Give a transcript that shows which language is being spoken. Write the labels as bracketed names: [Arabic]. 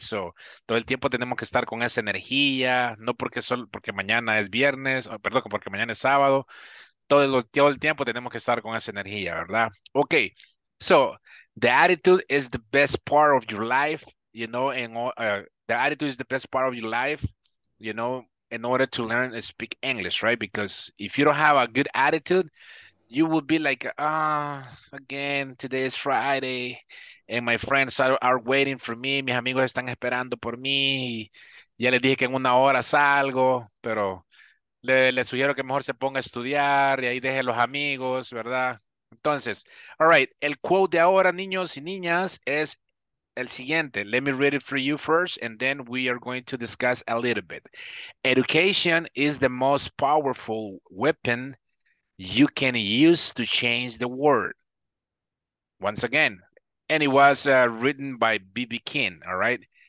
[Spanish] So, todo el tiempo tenemos que estar con esa energía, no porque solo, porque mañana es viernes, perdón, porque mañana es sábado, todo el tiempo tenemos que estar con esa energía, ¿verdad? [English] Okay, so, the attitude is the best part of your life, you know, and the attitude is the best part of your life, you know, in order to learn to speak English, right? Because if you don't have a good attitude, [Spanish] you would be like, ah, again, today is Friday, and my friends are waiting for me, mis amigos están esperando por mí, ya les dije que en una hora salgo, pero le sugiero que mejor se ponga a estudiar, y ahí deje los amigos, ¿verdad? Entonces, all right, el quote de ahora, niños y niñas, es el siguiente. [English] Let me read it for you first, and then we are going to discuss a little bit. Education is the most powerful weapon you can use to change the world. Once again, and it was written by B.B. King, all right?